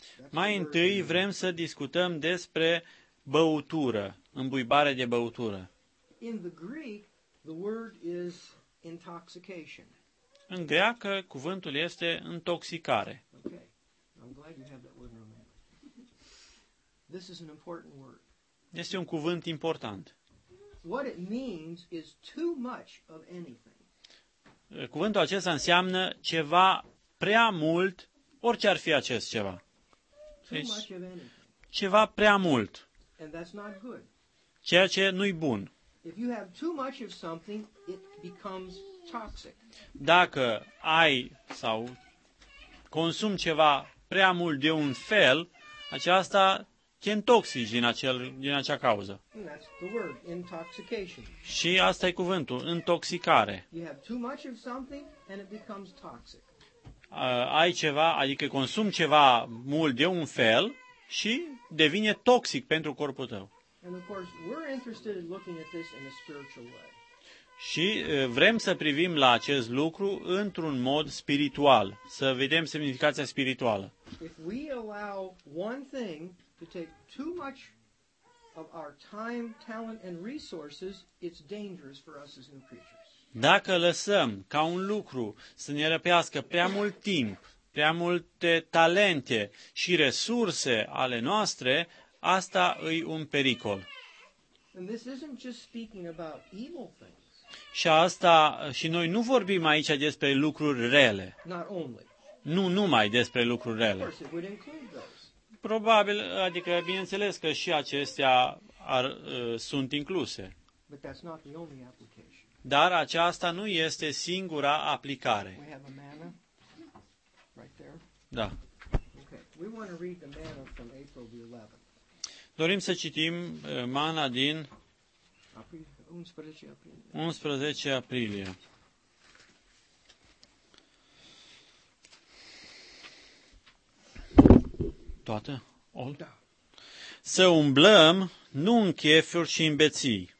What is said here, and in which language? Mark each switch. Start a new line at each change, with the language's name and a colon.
Romanian: Mai întâi vrem să discutăm despre băutură, îmbuibare de băutură.
English: In the Greek, the word is intoxication.
Romanian: În greacă, cuvântul este intoxicare.
English: Okay. I'm glad you have that word in Roman. This is an important word.
Romanian: Este un cuvânt important.
English: What it means is too much of anything.
Romanian: Cuvântul acesta înseamnă ceva prea mult, orice ar fi acest ceva. Deci, ceva prea mult.
English: And that's not good.
Romanian: Ceea ce nu-i bun.
English: If you have too much of something, it becomes toxic.
Romanian: Dacă ai sau consumi ceva prea mult de un fel, aceasta te intoxici din acea cauză.
English: And that's the word, intoxication.
Romanian: Și asta e cuvântul, intoxicare.
English: You have too much of something and it becomes toxic.
Romanian: Ai ceva, adică consumi ceva mult de un fel și devine toxic pentru corpul tău.
English: And of course, we're interested in looking at this in a spiritual way.
Romanian: Și vrem să privim la acest lucru într-un mod spiritual, să vedem semnificația spirituală.
English: If we allow one thing to take too much of our time, talent and resources, it's dangerous for us as new creatures.
Romanian: Dacă lăsăm ca un lucru să ne răpească prea mult timp, prea multe talente și resurse ale noastre, asta e un pericol.
English: And this isn't just speaking about evil things.
Romanian: Și asta, și noi nu vorbim aici despre lucruri rele.
English: Not only.
Romanian: Nu numai despre lucruri rele.
English: Of course, it would include those.
Romanian: Probabil, adică bineînțeles că și acestea sunt incluse.
English: But that's not the only application.
Romanian: Dar aceasta nu este singura aplicare.
English: We have a manna right there.
Romanian: Da.
English: Okay. We want to read the manna from April the 11th.
Romanian: Dorim să citim manna din 11 aprilie. 11 aprilie. Toată?
English: All?
Romanian: Da. Să umblăm nu în chefuri și în beții.